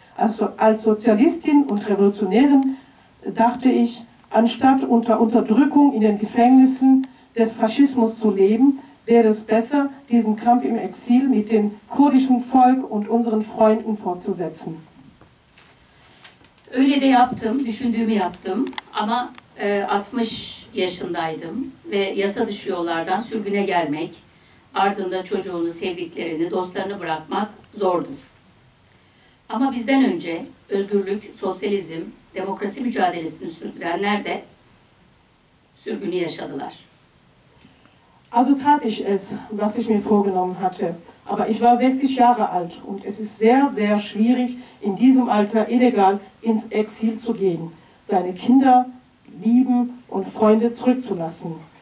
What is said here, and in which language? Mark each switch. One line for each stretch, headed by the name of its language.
German: Also als Sozialistin und Revolutionärin dachte ich, anstatt unter Unterdrückung in den Gefängnissen des Faschismus zu leben, wäre es besser, diesen Kampf im Exil mit dem kurdischen Volk und unseren Freunden fortzusetzen.
Turkish: Öyle de yaptım, düşündüğümü yaptım. Ama 60 yaşındaydım ve yasa dışı yollardan sürgüne gelmek, ardından çocuğunu, sevdiklerini, dostlarını bırakmak zordur. Ama bizden önce özgürlük, sosyalizm, demokrasi mücadelesini sürdürenler de sürgünü yaşadılar.
German: Also tat ich es, was ich mir vorgenommen hatte. Aber ich war 60 Jahre alt und es ist sehr, sehr schwierig, in diesem Alter illegal ins Exil zu gehen, seine Kinder, Lieben und Freunde zurückzulassen.